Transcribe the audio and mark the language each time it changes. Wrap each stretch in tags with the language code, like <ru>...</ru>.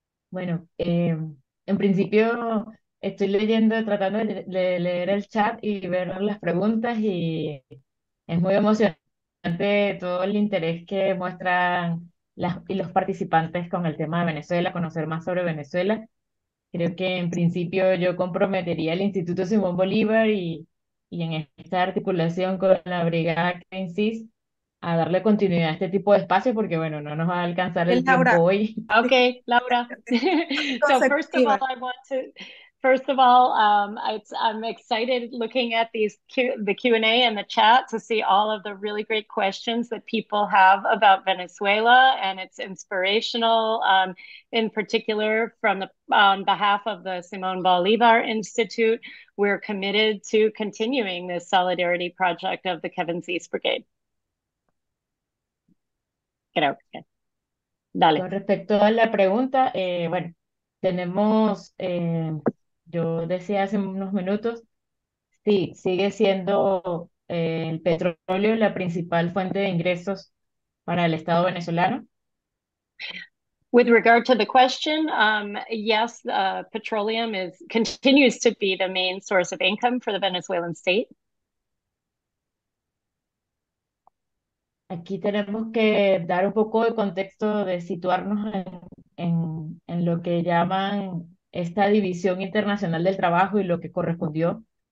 <es>Bueno, en principio estoy leyendo, tratando de leer el chat y ver las preguntas, y es muy emocionante todo el interés que muestran las y los participantes con el tema de Venezuela, conocer más sobre Venezuela. Creo que en principio yo comprometería el Instituto Simón Bolívar y en esta articulación con la brigada que insiste a darle continuidad a este tipo de espacios, porque bueno, no nos va a alcanzar el tiempo hoy.</es> <en>Okay, Laura. So first of all, I'm excited looking at the Q&A and the chat to see all of the really great questions that people have about Venezuela, and it's inspirational, in particular from the on behalf of the Simón Bolívar Institute. We're committed to continuing this solidarity project of the Kevin Zeese Brigade.</en> <es>Creo. Dale. Con respecto a la pregunta, bueno, tenemos, yo decía hace unos minutos, sí, sigue siendo el petróleo la principal fuente de ingresos para el Estado venezolano.</es> <en>With regard to the question, yes, petroleum continues to be the main source of income for the Venezuelan state.</en> <es>Aquí tenemos que dar un poco de contexto, de situarnos en lo que llaman esta división internacional del trabajo y lo que correspondió.</es>